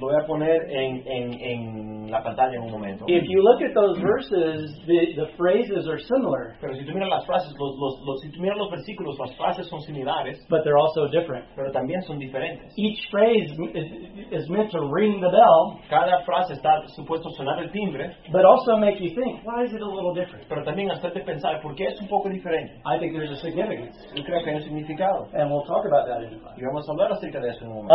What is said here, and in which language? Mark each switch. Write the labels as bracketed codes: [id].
[es] Lo voy a poner en la pantalla en un momento. [en] If you look at those verses, the phrases are similar. [es] Pero si tú miras las frases, si tú miras los versículos, las frases son similares. [en] But they're also different. [es] Pero también son diferentes. [en] Each phrase is meant to ring the bell. [es] Cada frase está supuesto sonar el timbre. [en] But also make you think, why is it a little different? [es] Pero también hacerte pensar, ¿por qué es un poco diferente? [en] I think there's a significance. [es] Yo creo que hay un significado. [en] And we'll talk about that in a moment. [es] Y vamos a hablar acerca de eso en un momento.